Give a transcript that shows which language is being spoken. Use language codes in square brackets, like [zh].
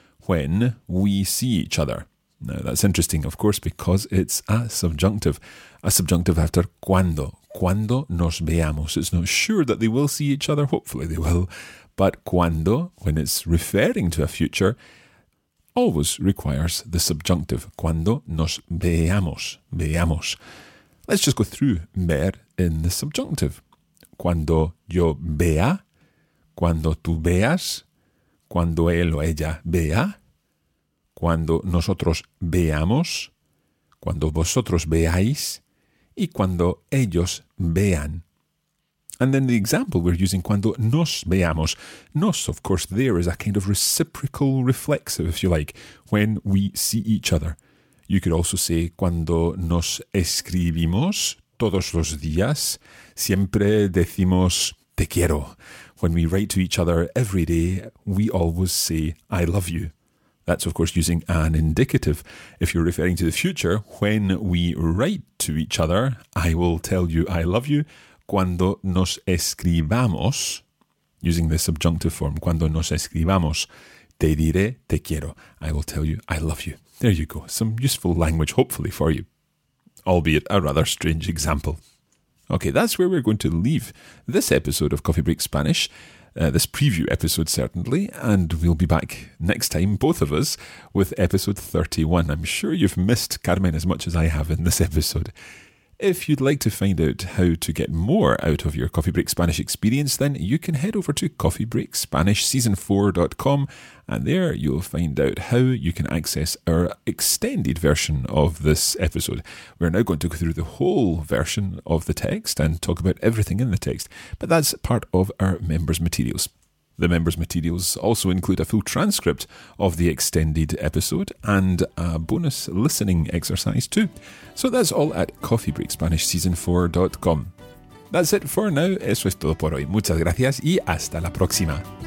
[en] when we see each other. Now, that's interesting, of course, because it's a subjunctive after cuando, [es] cuando nos veamos. [en] It's not sure that they will see each other, hopefully they will, but cuando, when it's referring to a future, always requires the subjunctive, [es] cuando nos veamos, veamos. [en] Let's just go through ver in the subjunctive. [es] Cuando yo vea, cuando tú veas, cuando él o ella vea, cuando nosotros veamos, cuando vosotros veáis, y cuando ellos vean. [en] And then the example we're using, [es] cuando nos veamos. [en] Nos, of course, there is a kind of reciprocal reflexive, if you like, when we see each other. You could also say, [es] cuando nos escribimos todos los días, siempre decimos, te quiero. [en] When we write to each other every day, we always say, I love you. That's, of course, using an indicative. If you're referring to the future, when we write to each other, I will tell you I love you. [es] Cuando nos escribamos, [en] using the subjunctive form, [es] cuando nos escribamos, te diré te quiero. [en] I will tell you I love you. There you go. Some useful language, hopefully, for you. Albeit a rather strange example. Okay, that's where we're going to leave this episode of Coffee Break Spanish. This preview episode, certainly, and we'll be back next time, both of us, with episode 31. I'm sure you've missed Carmen as much as I have in this episode. If you'd like to find out how to get more out of your Coffee Break Spanish experience, then you can head over to coffeebreakspanishseason4.com, and there you'll find out how you can access our extended version of this episode. We're now going to go through the whole version of the text and talk about everything in the text, but that's part of our members' materials. The members' materials also include a full transcript of the extended episode and a bonus listening exercise too. So that's all at coffeebreakspanishseason4.com. That's it for now. [es] Eso es todo por hoy. Muchas gracias y hasta la próxima.